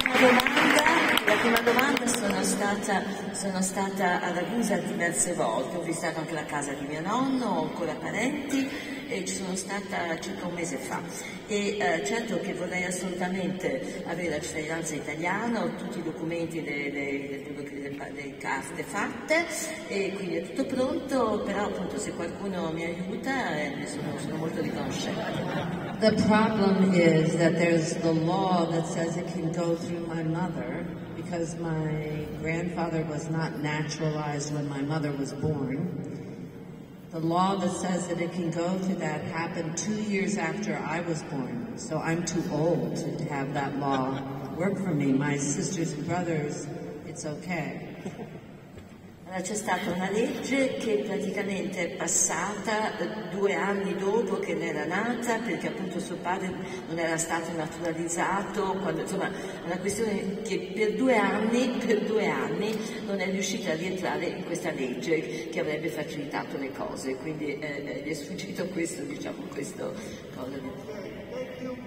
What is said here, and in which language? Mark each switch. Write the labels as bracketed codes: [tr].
[it] La prima domanda sono stata a Ragusa diverse volte, ho visitato anche la casa di mio nonno, ho ancora parenti e ci sono stata circa un mese fa. E certo che vorrei assolutamente avere la cittadinanza italiana, ho tutti i documenti, le carte fatte e quindi è tutto pronto, però appunto se qualcuno mi aiuta sono molto riconoscente. [en] The problem is that there's the law that says it can go through my mother because my grandfather was not naturalized when my mother was born. The law that says that it can go through that happened 2 years after I was born, so I'm too old to have that law work for me. My sisters and brothers, it's okay. [it] C'è stata una legge che praticamente è passata 2 anni dopo che ne era nata, perché appunto suo padre non era stato naturalizzato, quando, insomma è una questione che per due anni non è riuscita a rientrare in questa legge che avrebbe facilitato le cose, quindi gli è sfuggito questo, diciamo, questo cosa.